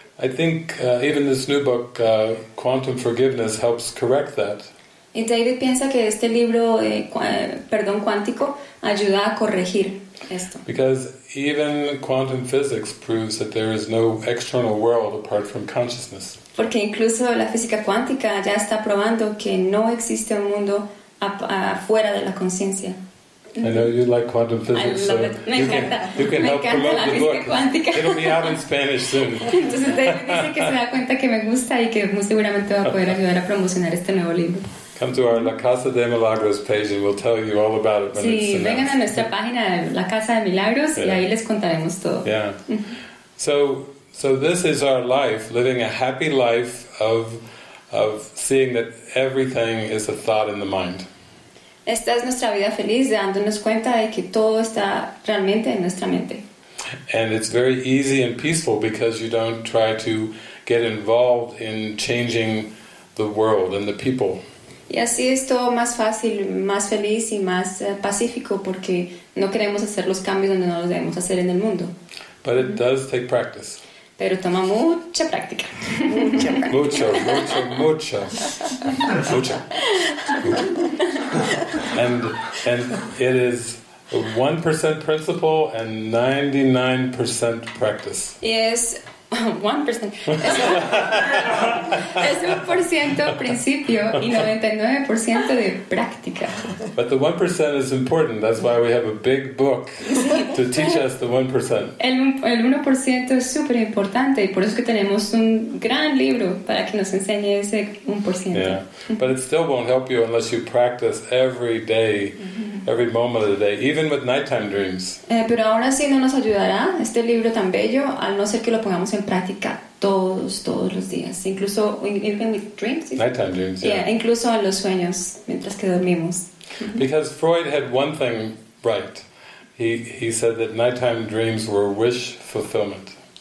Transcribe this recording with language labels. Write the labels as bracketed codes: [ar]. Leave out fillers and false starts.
[en] I think even this new book, Quantum Forgiveness, helps correct that. [es] Y David piensa que este libro, perdón cuántico, ayuda a corregir esto. [en] Because even quantum physics proves that there is no external world apart from consciousness. [es] Porque incluso la física cuántica ya está probando que no existe un mundo afuera de la conciencia. [en] I know you like quantum physics, so you can help promote the book. [es] Cuántica. [en] It'll be out in Spanish soon. [es] Entonces David dice que se da cuenta que me gusta y que muy seguramente va a poder ayudar a promocionar este nuevo libro. [en] Come to our La Casa de Milagros page and we'll tell you all about it when it's announced. [es] Sí, vengan a nuestra página La Casa de Milagros y ahí les contaremos todo. [en] Yeah. So this is our life, living a happy life of seeing that everything is a thought in the mind. [es] Esta es nuestra vida feliz, dándonos cuenta de que todo está realmente en nuestra mente. [en] And it's very easy and peaceful because you don't try to get involved in changing the world and the people. [es] Y así es todo más fácil, más feliz y más pacífico porque no queremos hacer los cambios donde no los debemos hacer en el mundo. [en] But it does take practice. [es] Pero toma mucha práctica. Mucha práctica. Mucha. [en] And it is 1% principle and 99% practice. Yes. [es] 1% es 1% principio y 99% de práctica. [en] But the 1% is important. That's why we have a big book to teach us the 1%. [es] El 1% es super importante y por eso que tenemos un gran libro para que nos enseñe ese 1%. [en] Yeah. But it still won't help you unless you practice every day, every moment of the day, even with nighttime dreams. [es] Pero ahora sí no nos ayudará este libro tan bello al no ser que lo pongamos en práctica todos los días, incluso [en] even with dreams. Nighttime dreams, yeah. [es] Yeah, incluso en los sueños mientras que dormimos. [en] Because Freud had one thing right. He said that nighttime dreams were wish fulfillment.